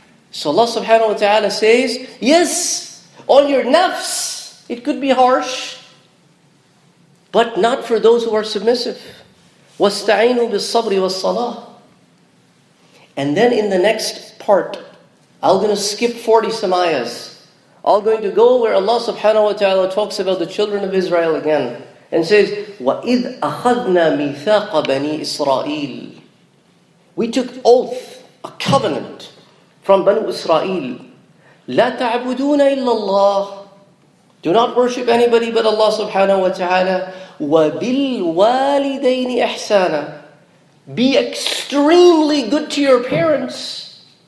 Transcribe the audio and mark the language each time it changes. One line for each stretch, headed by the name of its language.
English: So Allah subhanahu wa ta'ala says, yes, on your nafs, it could be harsh, but not for those who are submissive.
Arabic: وَاسْتَعِينُوا بِالصَّبْرِ وَالصَّلَاةِ.
English: And then in the next part, I'm going to skip 40 some ayahs. I'm going to go where Allah subhanahu wa ta'ala talks about the children of Israel again. And says,
Arabic: وَإِذْ أَخَذْنَا مِيثَاقَ بَنِي إِسْرَائِيلِ.
English: We took oath, a covenant, from Banu Israel.
Arabic: لَا تَعْبُدُونَ إِلَّا اللَّهِ.
English: Do not worship anybody but Allah subhanahu wa ta'ala.
Arabic: وَبِالْوَالِدَيْنِ إِحْسَانًا.
English: Be extremely good to your parents.